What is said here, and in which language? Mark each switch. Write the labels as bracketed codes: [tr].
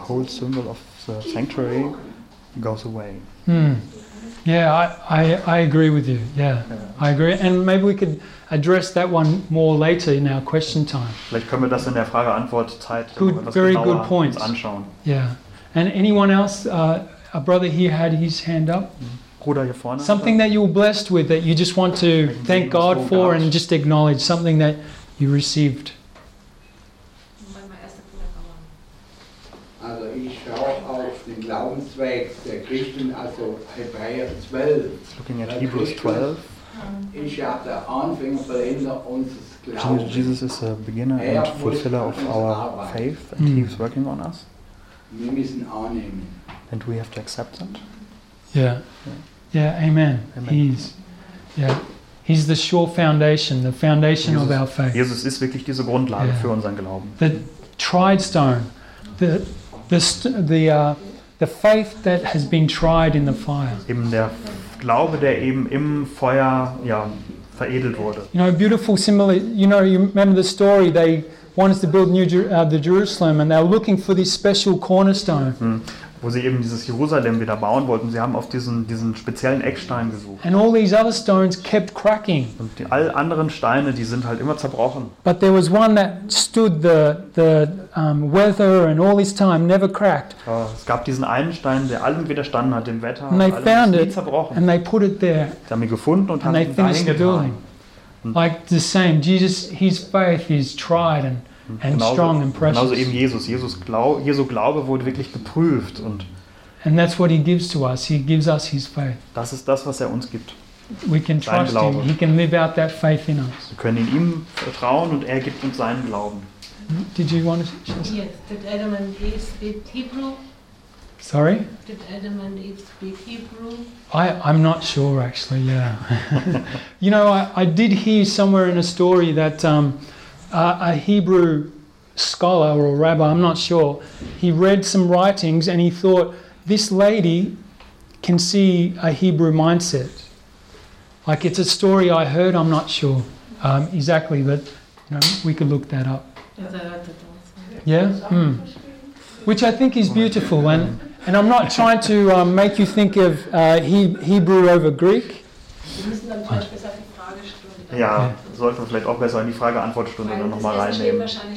[en] The whole symbol of the sanctuary goes away. Yeah, I agree with you. Yeah, yeah, I agree. And maybe we could address that one more later in our question time. [de] Vielleicht können wir das in der Frage-Antwort-Zeit [en] very good point. [de] Anschauen. [en] Yeah. And anyone else? A brother here had his hand up. [de] Bruder hier vorne. [en] Something that you were blessed with that you just want to thank God for and just acknowledge. Something that you received. [de] Also ich schaue auf den Glaubensweg der Christen, also Hebräer 12. [en] Looking at Hebrews 12. [de] Ist ja der Anfänger, Vollender unseres Glaubens. [en] Jesus is a beginner and fulfiller of our faith, and he is working on us. [de] Wir müssen annehmen. [en] And we have to accept that. Yeah. Yeah. Yeah. Amen. Amen. He's the sure foundation, the foundation Jesus, of our faith. [de] Jesus ist wirklich diese Grundlage für unseren Glauben. [en] The tried stone. The faith that has been tried in the fire. [de] Eben der Glaube, der eben im Feuer veredelt wurde. [en] You know, a beautiful symbol. You know, you remember the story. They wanted to build the Jerusalem, and they were looking for this special cornerstone. [de] Wo sie eben dieses Jerusalem wieder bauen wollten. Sie haben auf diesen speziellen Eckstein gesucht. [en] And all these other stones kept cracking. [de] Und die all anderen Steine, die sind halt immer zerbrochen. [en] But there was one that stood the weather and all this time, never cracked. [de] Es gab diesen einen Stein, der allem widerstanden hat, dem Wetter, [en] and [de] allem, [en] found [de] nie [en] it [de] zerbrochen. [en] And they put it there. [de] Sie haben ihn gefunden und haben ihn dahin getan. [en] Like the same, Jesus, his faith is tried and [de] genauso, [en] strong and precious. [de] Genauso eben Jesus. Jesu Glaube wurde wirklich geprüft. Und [en] and that's what he gives to us. He gives us his faith. [de] Das ist das, was er uns gibt. [en] We can trust him. He can live out that faith in us. [de] Wir können in ihm vertrauen und er gibt uns seinen Glauben. [en] Did you want to say? Yes, did Adam and Eve speak Hebrew? Sorry? Did Adam and Eve speak Hebrew? I'm not sure, actually, yeah. You know, I did hear somewhere in a story that a Hebrew scholar or a rabbi, I'm not sure, he read some writings and he thought, this lady can see a Hebrew mindset. Like, it's a story I heard, I'm not sure exactly, but you know, we could look that up. Yeah? Mm. Which I think is beautiful. And I'm not trying to make you think of Hebrew over Greek. [de] Ja, sollten wir vielleicht auch besser in die Frage-Antwort-Stunde dann nochmal reinnehmen.